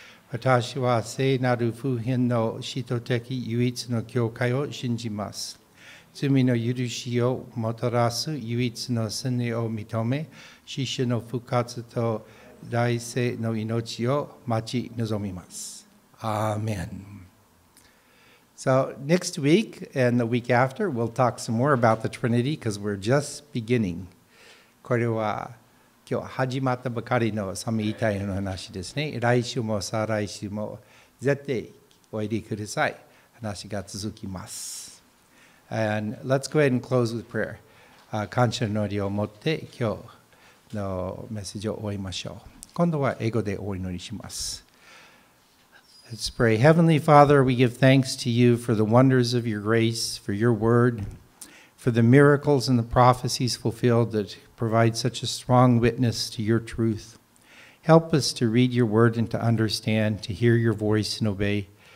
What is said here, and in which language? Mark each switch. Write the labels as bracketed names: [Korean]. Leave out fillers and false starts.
[Japanese] 私は聖なる普遍の使徒的唯一の教会を信じます。罪の許しをもたらす唯一の聖霊を認め、死者の復活と来世の命を待ち望みます。アーメン。 [English] So next week and the week after, we'll talk some more about the Trinity because we're just beginning. [Japanese] これは今日始まったばかりの三位一体の話ですね。来週も再来週も絶対おいでください。話が続きます。 And let's go ahead and close with prayer. 感謝の祈りを持って今日のメッセージを終えましょう。今度は英語でお祈りします。 [English] Let's pray. Heavenly Father, we give thanks to you for the wonders of your grace, for your word, for the miracles and the prophecies fulfilled that provide such a strong witness to your truth. Help us to read your word and to understand, to hear your voice and obey.